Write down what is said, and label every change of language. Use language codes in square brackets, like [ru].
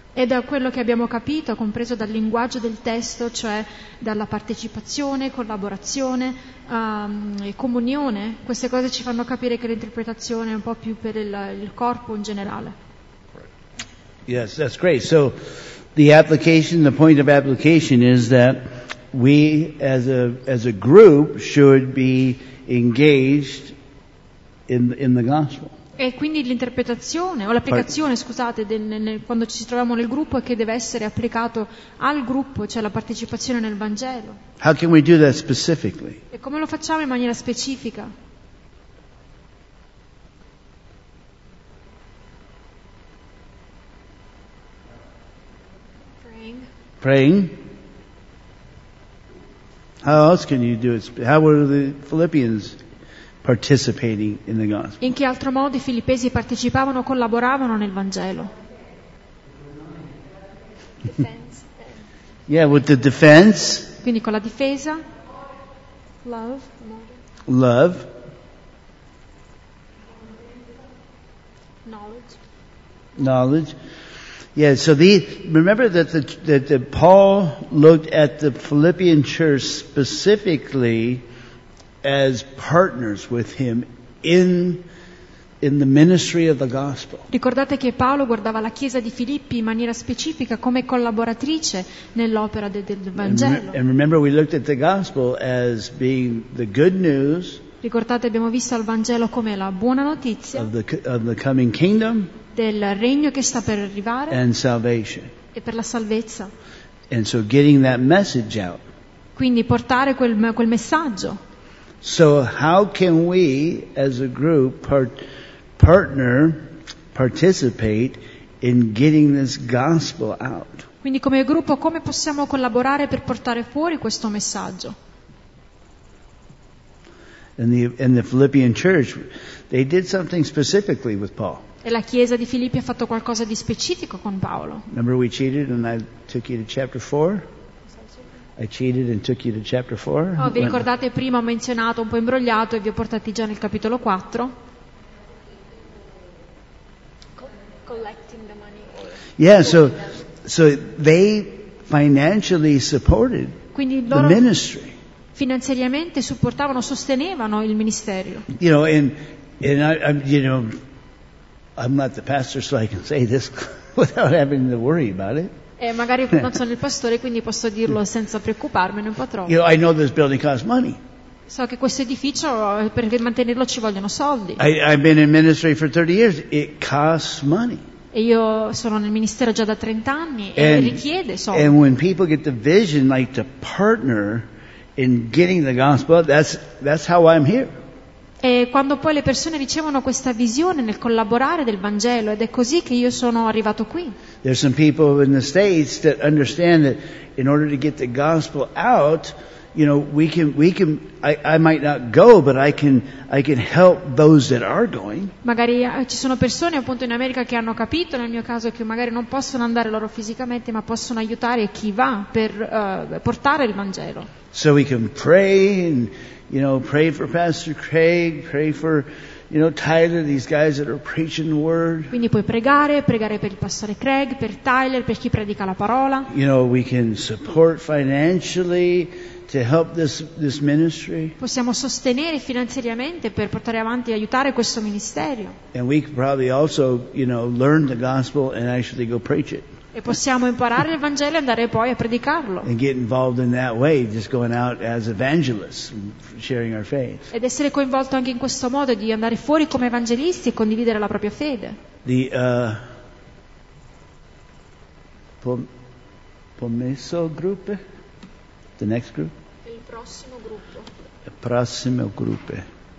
[it] E da quello che abbiamo capito, compreso dal linguaggio del testo, cioè dalla partecipazione, collaborazione e comunione, queste cose ci fanno capire che l'interpretazione è un po' più per il corpo in generale. [en] Right. Yes, that's great. So the point of application is that we as a group should be engaged in the gospel. [it] E quindi l'interpretazione o l'applicazione, scusate, quando ci troviamo nel gruppo, è che deve essere applicato al gruppo, cioè la partecipazione nel Vangelo. [en] How can we do that specifically? [it] E come lo facciamo in maniera specifica? [en] Praying. How else can you do it? How were the Philippians participating in the gospel? [it] In che altro modo i filippesi partecipavano o collaboravano nel Vangelo? [en] Defense. Yeah, with the defense. [it] Quindi con la difesa. [en] Love. Knowledge. Yeah, so remember that Paul looked at the Philippian church specifically as partners with him in the ministry of the gospel. [it] Ricordate che Paolo guardava la chiesa di Filippi in maniera specifica come collaboratrice nell'opera del Vangelo. [en] And remember, we looked at the gospel as being the good news. [it] Ricordate, abbiamo visto il Vangelo come la buona notizia [en] of the coming kingdom, [it] del regno che sta per arrivare, [en] and salvation. [it] e per la salvezza. [en] And so getting that message out. [it] Quindi portare quel messaggio. [en] So how can we as a group participate in getting this gospel out? [it] Quindi come gruppo come possiamo collaborare per portare fuori questo messaggio? [en] In the Philippian church, they did something specifically with Paul. [it] E la chiesa di Filippi ha fatto qualcosa di specifico con Paolo. [en] Remember we cheated and I took you to chapter 4? I cheated and took you to chapter 4. [it] Oh, vi ricordate prima ho menzionato un po' imbrogliato e vi ho portati già nel capitolo 4? [en] Collecting the money. Yeah, so they financially supported the ministry. [it] Finanziariamente supportavano, sostenevano il ministerio. [en] You know, I'm not the pastor, so I can say this without having to worry about it. [it] E magari non sono il pastore, quindi posso dirlo senza preoccuparmene un po' troppo. [en] You know, I know this building costs money. [it] So che questo edificio per mantenerlo ci vogliono soldi. [en] I've been in ministry for 30 years. It costs money. [it] E io sono nel ministero già da 30 anni e richiede soldi. [en] And when people get the vision like to partner in getting the gospel, that's how I'm here. [it] E quando poi le persone ricevono questa visione nel collaborare del Vangelo, ed è così che io sono arrivato qui. [en] There's some people in the States that understand that in order to get the gospel out, you know, I might not go, but I can help those that are going. [it] Magari ci sono persone appunto in America che hanno capito, nel mio caso, che magari non possono andare loro fisicamente, ma possono aiutare chi va per portare il Vangelo. [en] So we can pray and, you know, pray for Pastor Craig, pray for, you know, Tyler, these guys that are preaching the word. [it] Quindi puoi pregare per il pastore Craig, per Tyler, per chi predica la parola. [en] You know, we can support financially to help this ministry. [it] Possiamo sostenere finanziariamente per portare avanti e aiutare questo ministerio. [en] And we could probably also, you know, learn the gospel and actually go preach it. E possiamo imparare il Vangelo e andare poi a predicarlo. And get involved in that way, just going out as evangelists, sharing our faith. [it] Ed essere coinvolto anche in questo modo, di andare fuori come evangelisti e condividere la propria fede. [en] The [it] promesso gruppo? [en] The next group? [it] Il prossimo gruppo. Il prossimo gruppo.